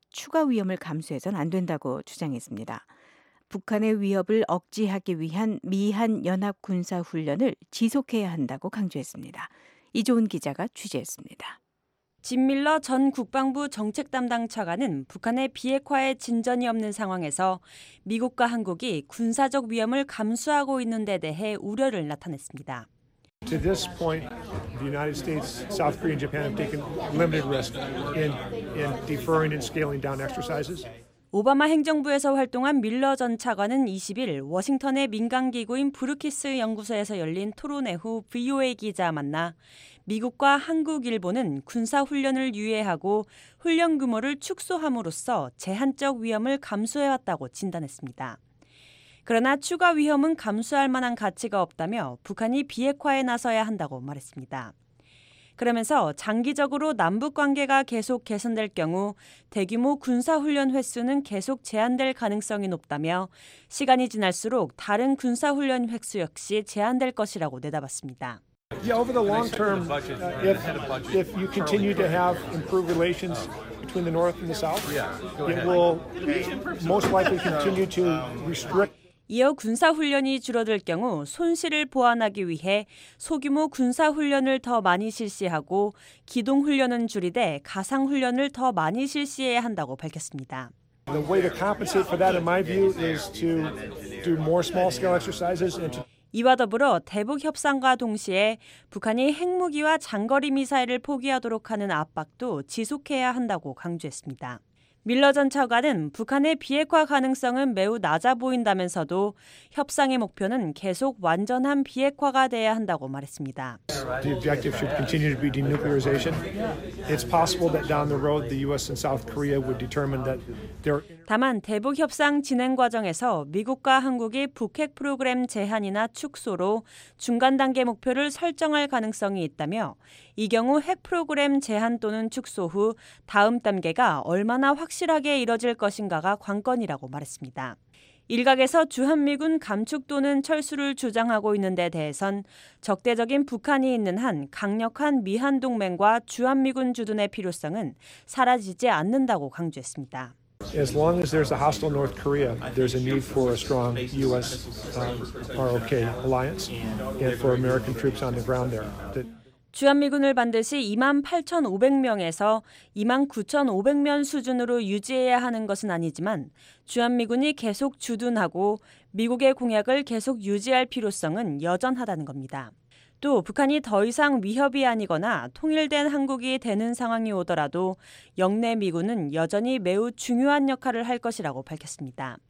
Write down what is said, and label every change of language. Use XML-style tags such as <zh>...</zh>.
<ko>추가 위험을 감수해서는 안 된다고 주장했습니다. 북한의 위협을 억제하기 위한 미한 연합 군사 훈련을 지속해야 한다고 강조했습니다. 이종훈 기자가 취재했습니다. 짐 밀러 전 국방부 정책 담당 차관은 북한의 비핵화에 진전이 없는 상황에서 미국과 한국이 군사적 위험을 감수하고 있는 데 대해 우려를 나타냈습니다.</ko> <en>To this point, the United States, South Korea, and Japan have taken limited risk in deferring and scaling down exercises.</en> <ko>오바마 행정부에서 활동한 밀러 전 차관은 20일 워싱턴의 민간기구인 브루키스 연구소에서 열린 토론회 후 VOA 기자 만나 미국과 한국, 일본은 군사훈련을 유예하고 훈련 규모를 축소함으로써 제한적 위험을 감수해왔다고 진단했습니다. 그러나 추가 위험은 감수할 만한 가치가 없다며 북한이 비핵화에 나서야 한다고 말했습니다. 그러면서 장기적으로 남북관계가 계속 개선될 경우 대규모 군사훈련 횟수는 계속 제한될 가능성이 높다며 시간이 지날수록 다른 군사훈련 횟수 역시 제한될 것이라고 내다봤습니다.</ko> <en>Yeah, over the long term, if you continue to have improved relations between the North and the South, it will most likely continue to restrict.</en> <ko>이어 군사훈련이 줄어들 경우 손실을 보완하기 위해 소규모 군사훈련을 더 많이 실시하고 기동훈련은 줄이되 가상훈련을 더 많이 실시해야 한다고 밝혔습니다.</ko> <en>The way to compensate for that, in my view, is to do more small-scale exercises and to</en> <ko>이와 더불어 대북 협상과 동시에 북한이 핵무기와 장거리 미사일을 포기하도록 하는 압박도 지속해야 한다고 강조했습니다. 밀러 전 차관은 북한의 비핵화 가능성은 매우 낮아 보인다면서도 협상의 목표는 계속 완전한 비핵화가 돼야 한다고 말했습니다.</ko> <en>The objective should continue to be denuclearization. It's possible that down the road the US and South Korea would determine that there</en> <ko>다만 대북 협상 진행 과정에서 미국과 한국이 북핵 프로그램 제한이나 축소로 중간 단계 목표를 설정할 가능성이 있다며 이 경우 핵 프로그램 제한 또는 축소 후 다음 단계가 얼마나 확실하게 이뤄질 것인가가 관건이라고 말했습니다. 일각에서 주한미군 감축 또는 철수를 주장하고 있는 데 대해선 적대적인 북한이 있는 한 강력한 미한 동맹과 주한미군 주둔의 필요성은 사라지지 않는다고 강조했습니다.</ko> <en>As long as there's a hostile North Korea, there's a need for a strong U.S. ROK alliance and for American troops on the ground there.</en> <ko>주한미군을 반드시 2만 8,500명에서 2만 9,500명 수준으로 유지해야 하는 것은 아니지만 주한미군이 계속 주둔하고 미국의 공약을 계속 유지할 필요성은 여전하다는 겁니다. 또 북한이 더 이상 위협이 아니거나 통일된 한국이 되는 상황이 오더라도 영내 미군은 여전히 매우 중요한 역할을 할 것이라고 밝혔습니다.</ko>